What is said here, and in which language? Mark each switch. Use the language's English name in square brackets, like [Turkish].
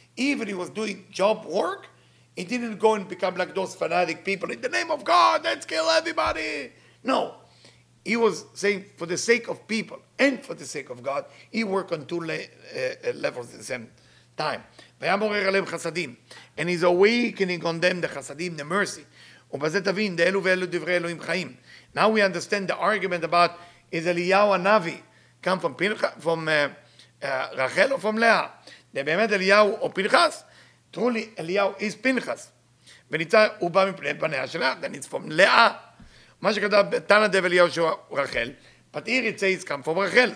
[English] Even he was doing job work, he didn't go and become like those fanatic people. In the name of God, let's kill everybody. No. He was saying, for the sake of people and for the sake of God, he worked on two levels at the same time. [Hebrew] ויאמר עליהם חסדים. [English] And he's awakening on them, the חסדים, the mercy. [Hebrew] ובזה תבין, דאלו ואלו דברי אלוהים חיים. [English] Now we understand the argument about is Eliyahu Navi come from Pinchas, from Rachel or from Leah? The Be'emet Eliyahu or Pinchas? Truly, Eliyahu is Pinchas. Then it's from Leah. But here it says come from Rachel.